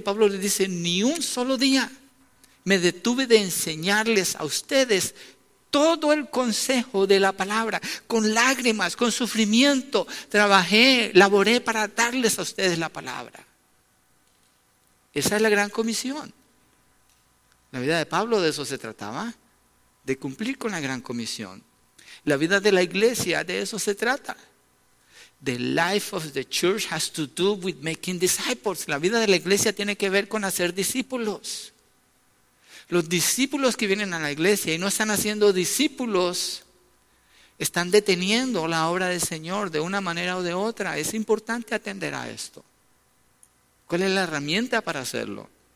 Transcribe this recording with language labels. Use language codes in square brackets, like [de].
[es] Pablo les dice, ni un solo día me detuve de enseñarles a ustedes todo el consejo de la palabra, con lágrimas, con sufrimiento, trabajé, laboré para darles a ustedes la palabra. Esa es la gran comisión. La vida de Pablo de eso se trataba, de cumplir con la gran comisión. La vida de la iglesia de eso se trata. [en] The life of the church has to do with making disciples. [es] La vida de la iglesia tiene que ver con hacer discípulos. Los discípulos que vienen a la iglesia y no están haciendo discípulos, están deteniendo la obra del Señor de una manera o de otra. Es importante atender a esto. ¿Cuál es la herramienta para hacerlo?